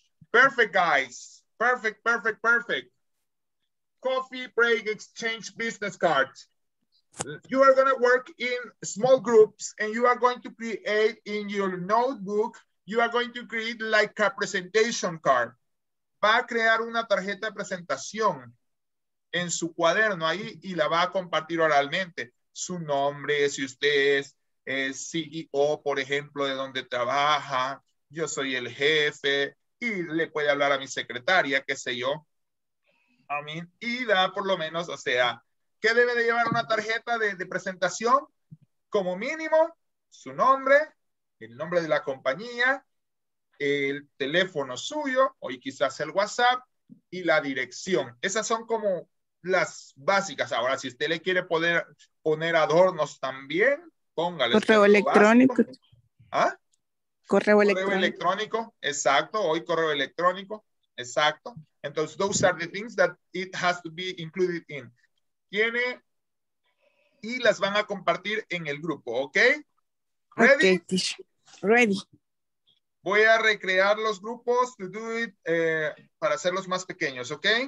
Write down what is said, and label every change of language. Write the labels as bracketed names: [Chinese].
[English] Perfect, guys. Perfect, perfect, perfect. Coffee break exchange business cards. You are going to work in small groups and you are going to create in your notebook, you are going to create like a presentation card. [Spanish] Va a crear una tarjeta de presentación en su cuaderno ahí y la va a compartir oralmente. Su nombre, si usted es CEO, por ejemplo, de donde trabaja, yo soy el jefe, y le puede hablar a mi secretaria, qué sé yo. [English] I mean, [Spanish] y da por lo menos, o sea, ¿qué debe de llevar una tarjeta de presentación? Como mínimo, su nombre, el nombre de la compañía, el teléfono suyo, o quizás el WhatsApp, y la dirección. Esas son como las básicas. Ahora, si usted le quiere poner adornos también, póngale. Correo electrónico. ¿Ah? Correo electrónico, exacto. Hoy correo electrónico, exacto. [English] Entonces, those are the things that it has to be included in. [Spanish] Tiene, y las van a compartir en el grupo, ¿ok? [English] Ready? Okay, ready. [Spanish] Voy a recrear los grupos [English] to do it, [Spanish] para hacerlos más pequeños, ¿ok?